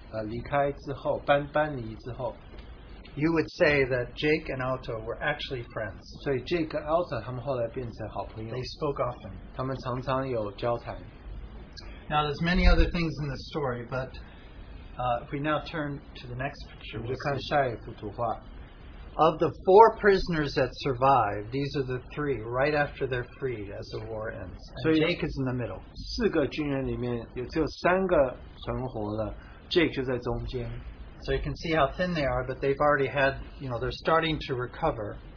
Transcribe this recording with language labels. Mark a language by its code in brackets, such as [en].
[zh] 所以他们从这个监牢这个营地离开之后，搬离之后， [en] you would say that Jake and Alto were actually friends. [zh] 所以Jake跟Alto他们后来变成好朋友。 [en] They spoke often. [zh] 他们常常有交谈。 [en] Now, there's many other things in the story, but if we now turn to the next picture, we'll [zh] 看下一幅图画。 [en] Of the four prisoners that survived, these are the three, right after they're freed as the war ends. And so Jake is in the middle. [zh] 四个军人里面有只有三个存活了, Jake就在中间。 [en] So you can see how thin they are, but they've already had, you know, they're starting to recover.